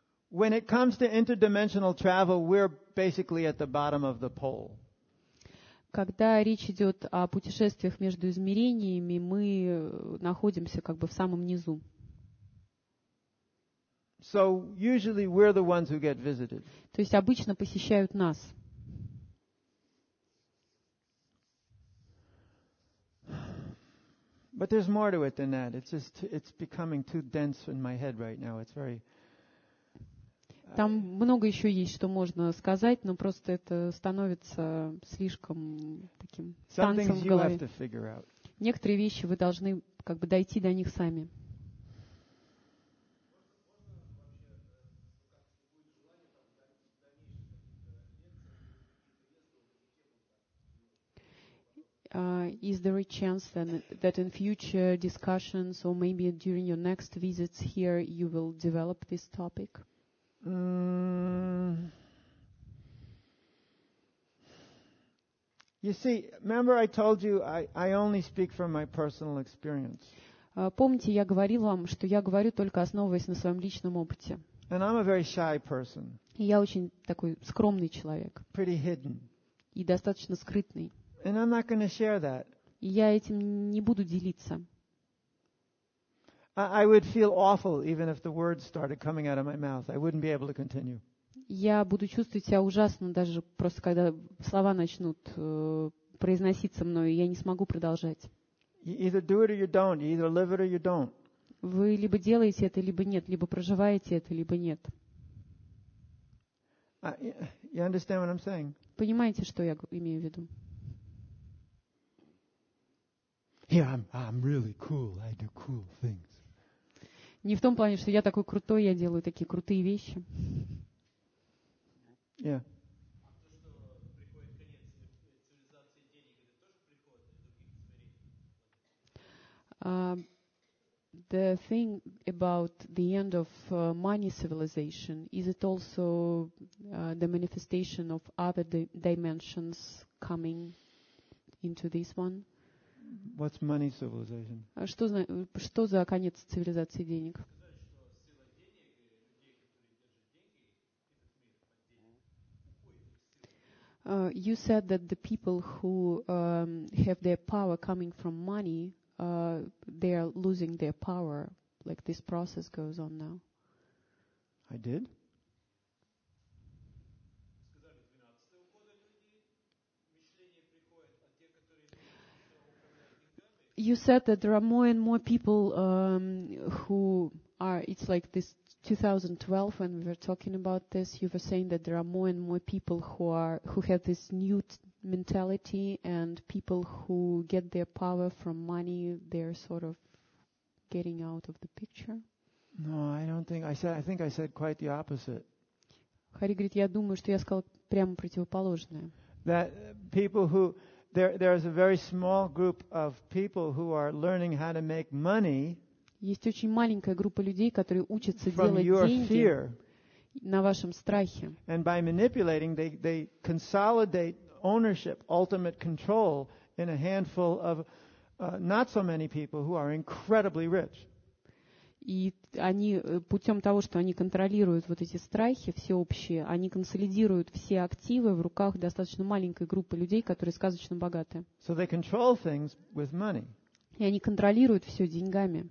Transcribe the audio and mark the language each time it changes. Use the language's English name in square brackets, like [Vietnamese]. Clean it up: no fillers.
[English] When it comes to interdimensional travel, we're basically at the bottom of the pole. [Russian] Когда речь идет о путешествиях между измерениями, мы находимся как бы в самом низу. [English] So usually we're the ones who get visited. [Russian] То есть обычно посещают нас. [English] But there's more to it than that. It's becoming too dense in my head right now. It's very. [Russian] Там много еще есть, что можно сказать, но просто это становится слишком таким танцем в голове. Некоторые вещи вы должны как бы дойти до них сами. [English] Is there a chance then that in future discussions or maybe during your next visits here you will develop this topic? You see, remember I told you I only speak from my personal experience. [Russian] Помните, я говорил вам, что я говорю только основываясь на своем личном опыте. [English] And I'm a very shy person. [Russian] И я очень такой скромный человек. [English] Pretty hidden. [Russian] И достаточно скрытный. [English] And I'm not going to share that. [Russian] Я этим не буду делиться. [English] I would feel awful even if the words started coming out of my mouth. I wouldn't be able to continue. [Russian] Я буду чувствовать себя ужасно даже просто когда слова начнут произноситься мною, я не смогу продолжать. [English] You either do it or you don't. You either live it or you don't. [Russian] Вы либо делаете это, либо нет, либо проживаете это, либо нет. [English] You understand what I'm saying? [Russian] Понимаете, что я имею в виду? [English] Yeah, I'm really cool. I do cool things. [Russian] Не в том плане, что я такой крутой, я делаю такие крутые вещи. [English] Yeah. The thing about the end of money civilization, is it also the manifestation of other dimensions coming into this one? What's money civilization? [Russian] Что за конец цивилизации денег? [English] You said that the people who have their power coming from money, they are losing their power. Like this process goes on now. I did. You said that there are more and more people who are, it's like this 2012 when we were talking about this, you were saying that there are more and more people who have this new mentality and people who get their power from money, they're sort of getting out of the picture. No, I don't think, I think I said quite the opposite. [Russian] Хари говорит, я думаю, что я сказал прямо противоположное. [English] That people who... There is a very small group of people who are learning how to make money. [Russian] Есть очень маленькая группа людей, которые учатся делать деньги на вашем страхе. [English] And by manipulating, they consolidate ownership, ultimate control in a handful of not so many people who are incredibly rich. [Russian] И они путем того, что они контролируют вот эти страхи всеобщие, они консолидируют все активы в руках достаточно маленькой группы людей, которые сказочно богаты. [English] So they control things with money. [Russian] И они контролируют все деньгами.